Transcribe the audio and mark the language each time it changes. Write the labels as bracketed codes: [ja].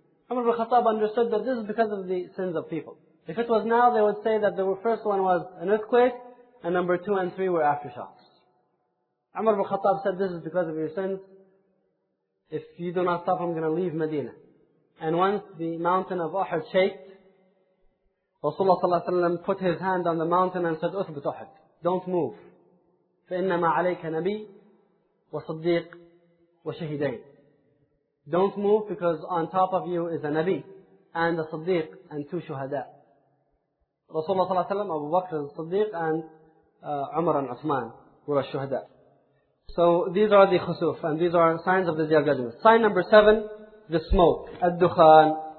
[en] Umar ibn Khattab understood that this is because of the sins of people. If it was now, they would say that the first one was an earthquake, and number two and three were aftershocks. Umar ibn Khattab said, this is because of your sins. If you do not stop, I'm going to leave Medina. And once the mountain of Uhud shaked, Rasulullah ﷺ put his hand on the mountain and said, [ar] أثبت أحد, [en] don't move. [ar] فإنما عليك نبي وصديق وشهدين. [en] Don't move, because on top of you is a Nabi and a Siddiq and two Shuhada. Rasulullah ﷺ, Abu Bakr al-Siddiq, and Umar and Uthman were Shuhada. So these are the khusuf, and these are signs of the Day of Judgment. Sign number 7, the smoke, al-Dukhan.